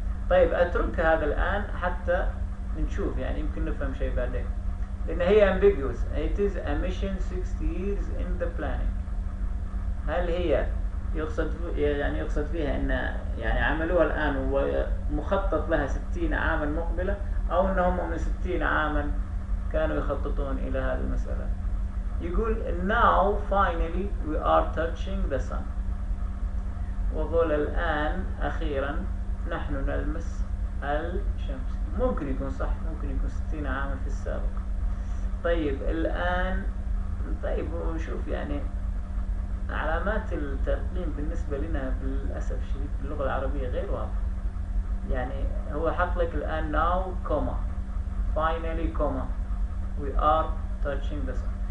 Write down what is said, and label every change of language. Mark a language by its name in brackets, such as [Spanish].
[Arabic] طيب أترك هذا الآن حتى نشوف، يعني يمكن نفهم شيء بعدين، لأن هي ambiguous. [English] it is a mission 60 years in the planning. [Arabic] هل هي يقصد، يعني يقصد فيها أن يعني عملوها الآن ومخطط لها 60 عاما مقبلة، أو أنهم من 60 عاما كانوا يخططون إلى هذه المسألة؟ يقول [English] now finally we are touching the sun، [Arabic] وقول الآن أخيرا نحن نلمس الشمس. ممكن يكون صح، ممكن يكون 60 عاما في السابق. طيب الآن، طيب ونشوف يعني علامات التقديم بالنسبة لنا للأسف الشديد باللغة العربية غير واضحة. يعني هو حق لك الآن [English] now comma finally comma we are touching the sun.